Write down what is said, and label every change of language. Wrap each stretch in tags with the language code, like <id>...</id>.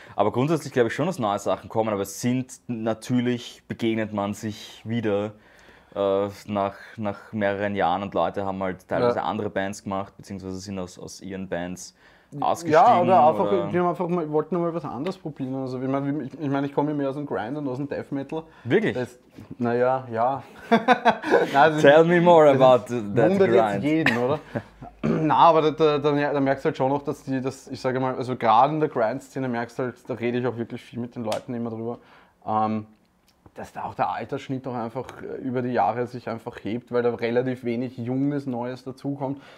<de>Aber grundsätzlich glaube ich schon, dass neue Sachen kommen, aber es sind natürlich, begegnet man sich wieder. Nach mehreren Jahren und Leute haben halt teilweise andere Bands gemacht, beziehungsweise sind aus ihren Bands ausgestiegen. Ja, wir wollten mal was anderes probieren. Also, ich komme mehr aus dem Grind und aus dem Death Metal. Wirklich? Naja.</de> <en>Also, tell me more about that grind.</en> <de>Wundert jetzt jeden, oder? Na, aber da merkst du halt schon noch, also gerade in der Grind-Szene merkst du halt, da rede ich auch wirklich viel mit den Leuten immer drüber. Dass da auch der Altersschnitt auch einfach über die Jahre sich einfach hebt, weil da relativ wenig Junges, Neues dazukommt.</de>